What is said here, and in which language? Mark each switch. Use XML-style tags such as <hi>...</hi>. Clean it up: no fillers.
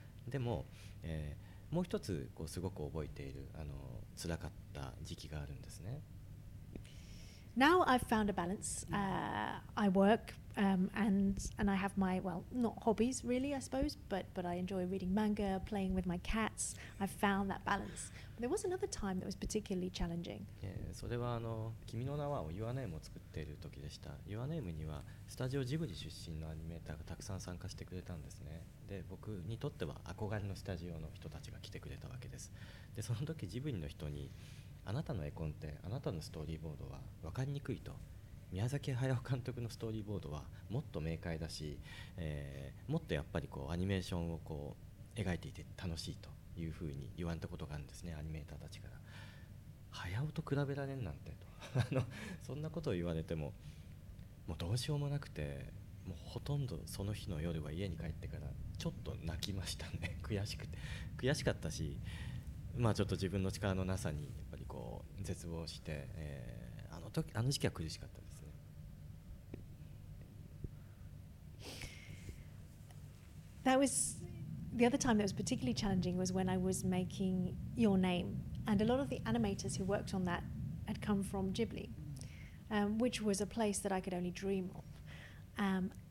<ja>でも、もう一つこうすごく覚えているつらかった時期があるんですね。</ja> <en>Now I've found a balance. I work, and I have my, well, not hobbies really, I suppose, but I enjoy reading manga, playing with my cats. I've found that balance. There was another time that was particularly challenging.</en> <ja>それは君の名はをユアネームを作っている時でした。ユアネームにはスタジオジブリ出身のアニメーターがたくさん参加してくれたんですね。で、僕にとっては憧れのスタジオの人たちが来てくれたわけです。で、その時ジブリの人にあなたの絵コンテ、あなたのストーリーボードは分かりにくいと。宮崎駿監督のストーリーボードはもっと明快だし、もっとやっぱりこうアニメーションをこう描いていて楽しいと。いうふうに言われたことがあるんですね。アニメーターたちから早尾と比べられんなんてとそんなことを言われてももうどうしようもなくて、もうほとんどその日の夜は家に帰ってからちょっと泣きましたね。悔しかったし、まあちょっと自分の力のなさにやっぱりこう絶望して、あの時期は苦しかったですね。</ja> <en>That wasThe other time that was particularly challenging was when I was making Your Name, and a lot of the animators who worked on that had come from Ghibli, which was a place that I could only dream of.</en>